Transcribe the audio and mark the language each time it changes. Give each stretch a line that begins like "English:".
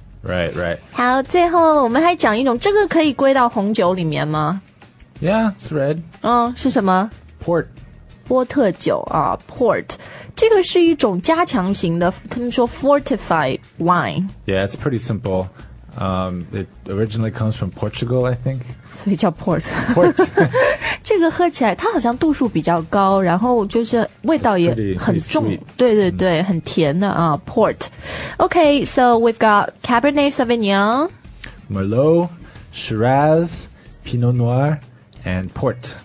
English: Right, right.
Chinese: 好，最后我们还讲一种，这个可以归到红酒里面吗？
English: Yeah, it's red.
Chinese: 是什么？
English: Port.
Chinese: 波特酒啊 ，port， 这个是一种加强型的，他们说 fortified wine。
English: Yeah, it's pretty simple. It originally comes from Portugal, I think.
Chinese: 所以叫 port。
English: port
Chinese: 这个喝起来，它好像度数比较高，然后就是味道也很重，
English: pretty, pretty
Chinese: 对对对，
English: mm.
Chinese: 很甜的啊
English: ，port。Okay, so we've got Cabernet Sauvignon, Merlot, Shiraz, Pinot Noir. And port.